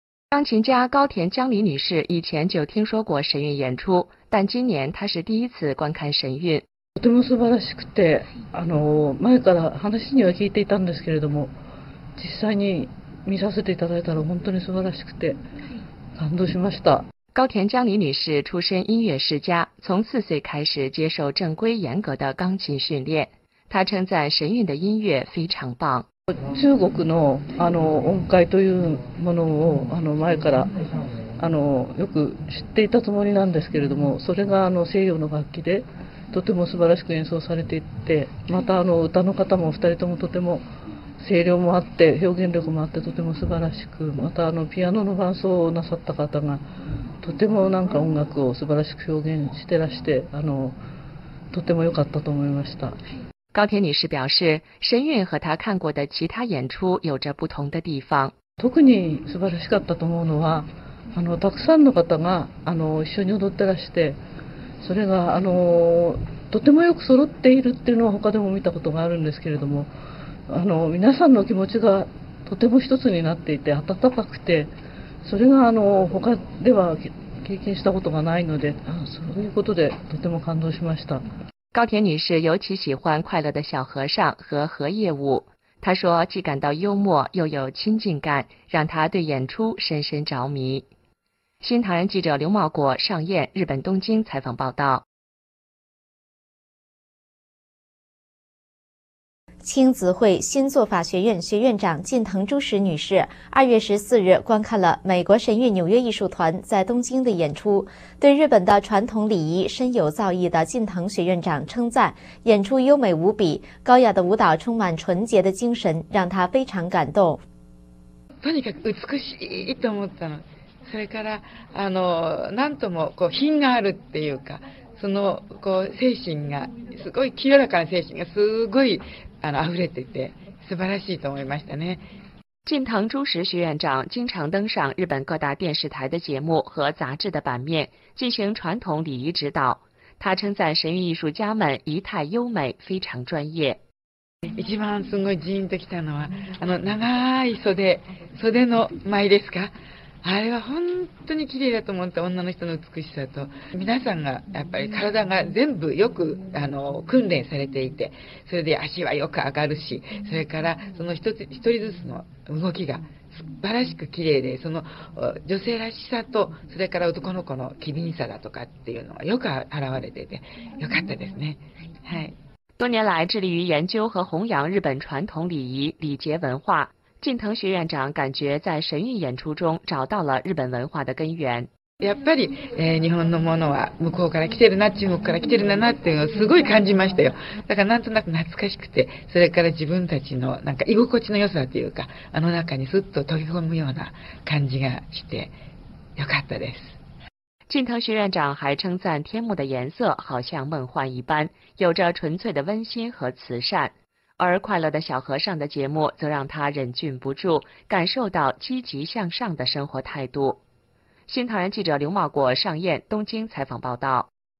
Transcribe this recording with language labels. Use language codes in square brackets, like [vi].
[zh] 钢琴家高田江里女士以前就听说过神韵演出，但今年她是第一次观看神韵。 [ja] とても素晴らしくて、前から話には聞いていたんですけれども、実際に見させていただいたら本当に素晴らしくて、感動しました。 [zh] 高田江里女士出身音乐世家，从四岁开始接受正规严格的钢琴训练。她称赞神韵的音乐非常棒。 [ja] 中国の、音階というものを前からよく知っていたつもりなんですけれども、それが西洋の楽器でとても素晴らしく演奏されていて、また歌の方も二人ともとても声量もあって表現力もあってとても素晴らしく、またピアノの伴奏をなさった方がとてもなんか音楽を素晴らしく表現してらして、とても良かったと思いました。 [zh] 高田女士表示，神韵和她看过的其他演出有着不同的地方。 [ja] 特に素晴らしかったと思うのは、たくさんの方が一緒に踊ってらして、それがとてもよく揃っているっていうのは他でも見たことがあるんですけれども、皆さんの気持ちがとても一つになっていて温かくて、それが他では経験したことがないので、そういうことでとても感動しました。 [zh] 高田女士尤其喜欢快乐的小和尚和荷叶舞，她说既感到幽默又有亲近感，让她对演出深深着迷。新唐人记者刘茂国、尚燕，日本东京采访报道。青子会新作法学院学院长近藤朱实女士2月14日观看了美国神韵纽约艺术团在东京的演出，对日本的传统礼仪深有造诣的近藤学院长称赞演出优美无比，高雅的舞蹈充满纯洁的精神，让她非常感动。 [ja] とにかく美しいと思ったの。それから何ともこう品があるっていうか、そのこう精神がすごい清らかな精神がすごい溢れていて素晴らしいと思いましたね。 [zh] 近藤朱实学院长经常登上日本各大电视台的节目和杂志的版面进行传统礼仪指导，他称赞神韵艺术家们仪态优美，非常专业。 [ja] 一番すごいジーンときたのは長い袖の舞ですか、あれは本当に綺麗だと思った。女の人の美しさと、皆さんがやっぱり体が全部よく訓練されていて、それで足はよく上がるし、それからその一人ずつの動きが素晴らしく綺麗で、その女性らしさとそれから男の子の機敏さだとかっていうのがよく現れていて良かったですね。はい。 [zh] 多年来致力于研究和弘扬日本传统礼仪礼节文化，近藤学院长感觉在神韵演出中找到了日本文化的根源。 [ja] やっぱり、日本のものは向こうから来てるな、中国から来てるんだなっていうのをすごい感じましたよ。だからなんとなく懐かしくて、それから自分たちのなんか居心地の良さというか、中にすっと飛び込むような感じがしてよかったです。 [zh] 近藤学院长还称赞天幕的颜色好像梦幻一般，有着纯粹的温馨和慈善。而快乐的小和尚的节目则让他忍俊不住，感受到积极向上的生活态度。新唐人记者刘茂国、尚燕，东京采访报道。